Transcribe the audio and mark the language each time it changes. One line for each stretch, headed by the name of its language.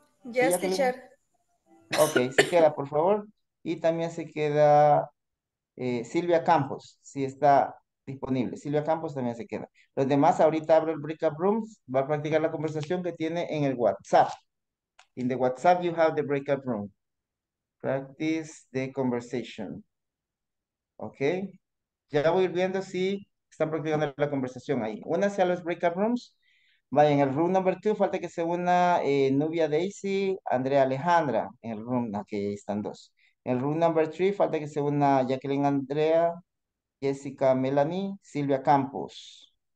English: Yes, ¿sí, teacher?
Spanish: Ok, se queda, por favor. Y también se queda Silvia Campos, si está disponible. Silvia Campos también se queda. Los demás, ahorita abro el breakout rooms, va a practicar la conversación que tiene en el WhatsApp.
English: In the WhatsApp, you have the breakout room. Practice the conversation. Ok.
Spanish: Ya voy viendo si están practicando la conversación ahí. Únanse a los breakout rooms. Vaya, en el room number 2, falta que se una Nubia Daisy, Andrea Alejandra. En el room, aquí okay, están dos. En el room number 3, falta que se una Jacqueline Andrea, Jessica Melanie, Silvia Campos.